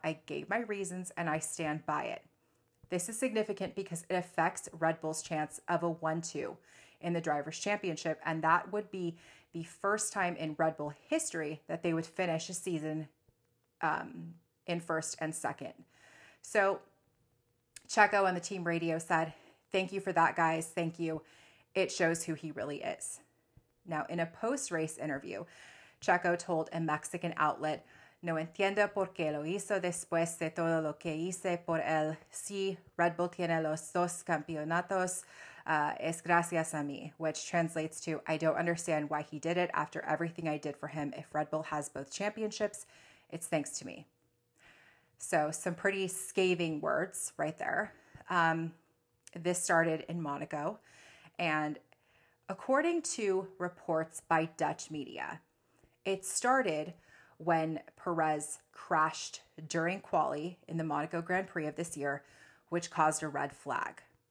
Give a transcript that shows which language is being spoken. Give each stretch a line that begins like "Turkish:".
English: I gave my reasons and I stand by it. This is significant because it affects Red Bull's chance of a 1-2 in the Drivers' Championship, and that would be the first time in Red Bull history that they would finish a season in first and second. So Checo on the team radio said, thank you for that, guys. Thank you. It shows who he really is. Now, in a post-race interview, Checo told a Mexican outlet,
Spanish: no entiendo por qué lo hizo después de todo lo que hice por él. Sí, Red Bull tiene los dos campeonatos. Es gracias a mí,
English: which translates to, I don't understand why he did it after everything I did for him. If Red Bull has both championships, it's thanks to me. So some pretty scathing words right there. This started in Monaco. And according to reports by Dutch media, it started when Perez crashed during quali in the Monaco Grand Prix of this year, which caused a red flag.